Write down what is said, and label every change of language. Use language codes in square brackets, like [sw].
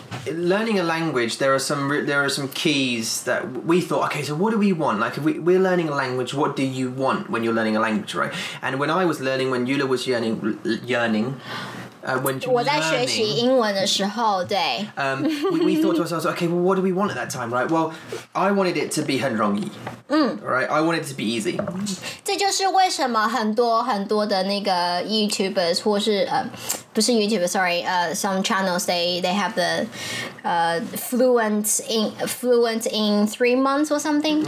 [en] Learning a language, there are some keys that we thought, okay, so what do we want? Like, if we're learning a language, what do you want when you're learning a language, right? And when I was learning, when Yula was yearning, when she was learning... [zh] 我在学习英文的时候,对. [en] We thought to ourselves, okay, well, what do we want at that time, right? Well, I wanted it to be [zh] 很容易, [en] right? I wanted it to be easy. [zh] 这就是为什么很多的那个 YouTubers 或是... [en] some channels they have the fluent in 3 months or something.